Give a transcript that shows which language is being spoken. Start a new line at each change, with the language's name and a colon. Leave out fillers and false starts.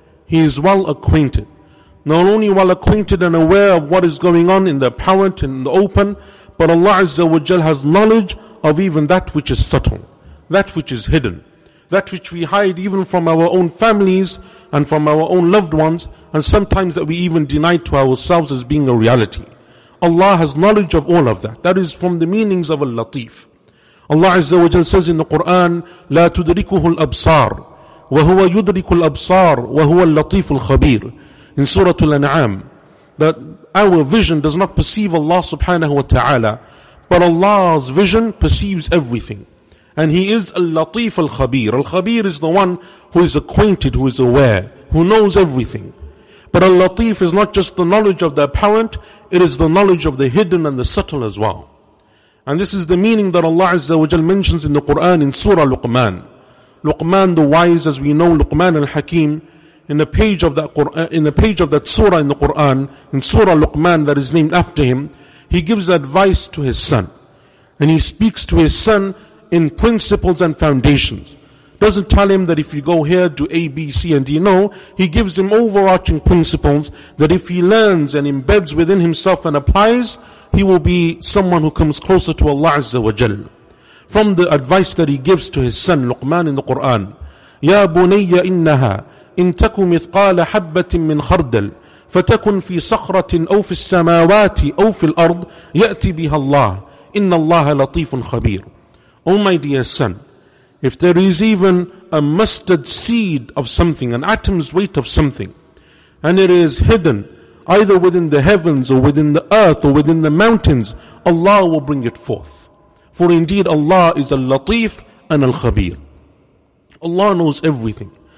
English: He is well acquainted. Not only well acquainted and aware of what is going on in the apparent and in the open, but Allah Azza wa Jal has knowledge of even that which is subtle, that which is hidden, that which we hide even from our own families and from our own loved ones, and sometimes that we even deny to ourselves as being a reality. Allah has knowledge of all of that. That is from the meanings of Al-Latif. Allah Azza wa Jal says in the Quran,
Arabic: لا تدركه الأبصار وهو يدرك الأبصار وهو اللطيف الخبير.
English: In Surah Al-An'am, that our vision does not perceive Allah subhanahu wa ta'ala, but Allah's vision perceives everything. And He is Al-Latif Al-Khabir. Al-Khabir is the one who is acquainted, who is aware, who knows everything. But Al-Latif is not just the knowledge of the apparent, it is the knowledge of the hidden and the subtle as well. And this is the meaning that Allah Azza wa Jal mentions in the Quran in Surah Luqman. Luqman the wise, as we know, Luqman Al-Hakim, In the page of that surah in the Quran, in Surah Luqman that is named after him, he gives advice to his son. And he speaks to his son in principles and foundations. doesn't tell him that if you go here, do A, B, C, and D. No, he gives him overarching principles that if he learns and embeds within himself and applies, he will be someone who comes closer to Allah Azza wa Jal. From the advice that he gives to his son Luqman in the Quran,
Arabic: يَا بُنَيَّ إِنَّهَا إِن تَكُ مِثْقَالَ حَبَّةٍ مِّنْ خَرْدَلٍ فَتَكُنْ فِي صَخْرَةٍ أَوْ فِي السَّمَاوَاتِ أَوْ فِي الْأَرْضِ يَأْتِ بِهَا اللَّهِ إِنَّ اللَّهَ لَطِيفٌ خَبِيرٌ.
English: O my dear son, if there is even a mustard seed of something, an atom's weight of something, and it is hidden either within the heavens or within the earth or within the mountains, Allah will bring it forth. For indeed Allah is al-Latif and al-Khabir. Allah knows everything.